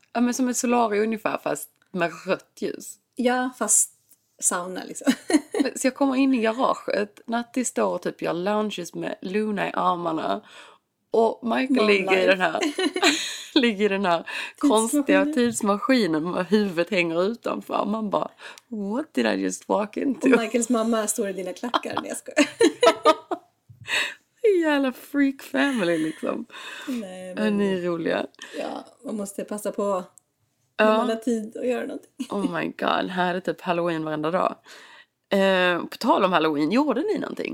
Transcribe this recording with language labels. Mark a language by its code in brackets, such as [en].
[sv] Ja, men som ett solarium ungefär, fast med rött ljus. Ja, fast sauna liksom. Så jag kommer in i garaget, Natti står och typ gör lunges med Luna i armarna. Och Michael ligger i den här, konstiga tidsmaskinen med huvudet hänger utanför. Och man bara, [en] what did I just walk into? [sv] Och Michaels mamma står i dina klackar, när jag ska. Jävla freak family liksom. Nej, men... Ni är roliga. Ja, man måste passa på när man har tid att göra någonting. [en] Oh my god, [sv] här är typ Halloween varenda dag. På tal om Halloween, gjorde ni någonting?